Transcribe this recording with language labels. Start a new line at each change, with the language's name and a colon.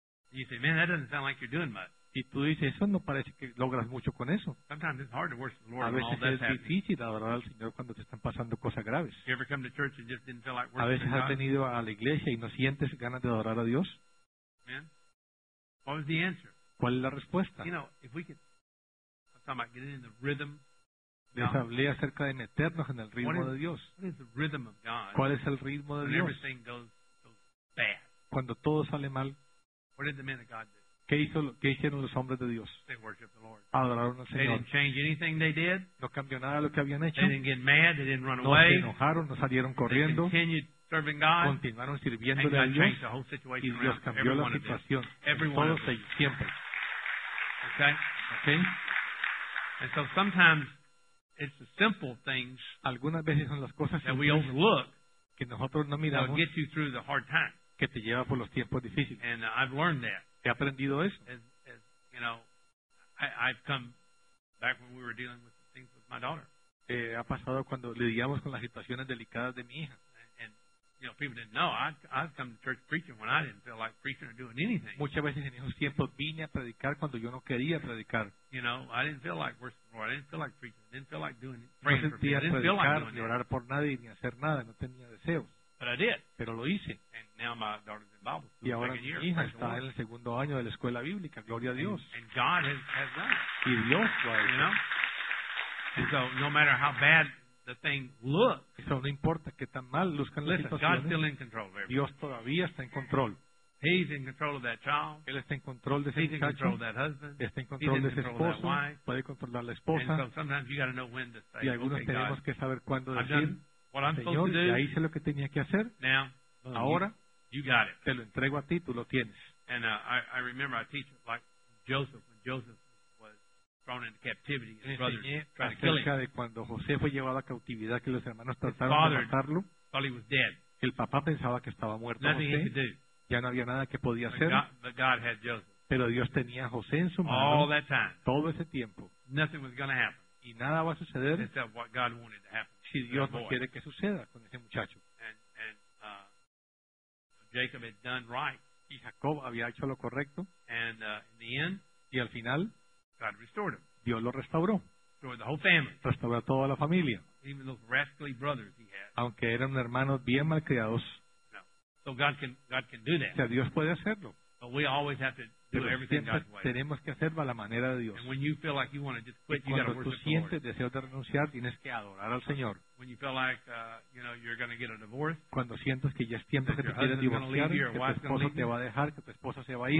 English: You say, man, that doesn't sound like you're doing much.
Spanish: Y tú dices, eso no parece que logras mucho con eso.
English: Sometimes it's hard to worship the Lord when all that's
Spanish: A veces es difícil adorar al Señor cuando te están pasando cosas graves.
English: You ever come to church and just didn't feel like worshiping
Spanish: God? A veces has venido a la iglesia y no sientes ganas de adorar a Dios.
English: What was the answer?
Spanish: ¿Cuál es la respuesta?
English: You know, if we could, I'm talking about getting in the rhythm.
Spanish: Les hablé acerca de meternos en el ritmo de Dios.
English: What is the rhythm of God?
Spanish: ¿Cuál es el ritmo de Dios?
English: When everything goes bad.
Spanish: Cuando todo sale mal.
English: What did the men of God do?
Spanish: ¿Qué hicieron los hombres de Dios?
English: They worshiped the Lord.
Spanish: Adoraron al Señor.
English: They didn't change anything they did.
Spanish: No cambió nada lo que habían hecho.
English: They didn't get mad. They didn't run
Spanish: no
English: away.
Spanish: No se enojaron. No salieron corriendo.
English: They continued serving God.
Spanish: Continuaron sirviéndole a Dios. Y Dios cambió la situación. Todos ellos, siempre.
English: Okay. And so sometimes it's the simple things.
Spanish: Algunas veces son las cosas
English: that we overlook.
Spanish: Que nosotros no miramos.
English: That get you through the hard times.
Spanish: Que te lleva por los tiempos difíciles.
English: And I've learned that.
Spanish: He aprendido eso.
English: As you know, I've come back when we were dealing with things with my daughter.
Spanish: Ha pasado cuando lidiamos con las situaciones delicadas de mi hija.
English: And you know, people didn't know. I've come to church preaching when I didn't feel like preaching or doing anything.
Spanish: Muchas veces en esos tiempos vine a predicar cuando yo no quería predicar.
English: You know, I didn't feel like worshiping or I didn't feel like preaching. I didn't feel like doing it.
Spanish: No sentía predicar ni orar por nadie ni hacer nada. No tenía deseos.
English: But I did.
Spanish: Pero lo hice.
English: And now my daughter's in Bible school.
Spanish: Y ahora
English: second year,
Spanish: mi hija está en el segundo año de la escuela bíblica. Gloria a Dios.
English: And God has done it.
Spanish: Y Dios lo ha hecho.
English: You know? And so no matter how bad the thing looks.
Spanish: Eso no importa qué tan mal luzcan las situaciones.
English: God's still in control.
Spanish: Dios todavía está en control.
English: He's in control of that child.
Spanish: Él está en control de ese muchacho.
English: He's in control of that husband.
Spanish: Está en control de esa esposa.
English: He's in control of that wife.
Spanish: Puede controlar la esposa.
English: And so sometimes you got to know when to say,
Spanish: y algunos
English: okay,
Spanish: tenemos
English: God,
Spanish: que saber cuándo decir.
English: What I'm
Spanish: Señor,
English: supposed to do.
Spanish: Ya hice lo que tenía que hacer.
English: Now,
Spanish: ahora,
English: you got it.
Spanish: Te lo entrego a ti, tú lo tienes.
English: And I remember I teach like Joseph, when Joseph was thrown into captivity, his brothers tried to kill him.
Spanish: De cuando José fue llevado a cautividad, que los hermanos trataron de matarlo.
English: Thought he was dead.
Spanish: El papá pensaba que estaba muerto.
English: Nothing
Spanish: José.
English: He could do.
Spanish: Ya no había nada que podía hacer.
English: But God had Joseph.
Spanish: Pero Dios tenía a José en su mano.
English: All that time.
Spanish: Todo ese tiempo.
English: Nothing was going to happen.
Spanish: Y nada va a suceder.
English: Except what God wanted to happen.
Spanish: Si Dios no quiere que suceda con ese muchacho.
English: And Jacob had done right.
Spanish: Y Jacob había hecho lo correcto.
English: And in the end,
Spanish: y al final,
English: God restored him.
Spanish: Dios lo restauró.
English: Restored the whole family.
Spanish: Restauró a toda la familia.
English: Even those rascally brothers he had.
Spanish: Aunque eran hermanos bien malcriados.
English: No. So God can do that.
Spanish: O sea, Dios puede hacerlo.
English: But we always have to do everything God's way.
Spanish: Tenemos que hacerlo a la manera de Dios.
English: And when you feel like you want to just quit, you got to worship the Lord.
Spanish: Cuando tú sientes deseo de renunciar, tienes que adorar al Señor. When you feel like you know you're going to get a divorce, cuando sientes que ya es tiempo que te quieres divorciar, que tu esposo te va a dejar, que tu esposa se va a ir,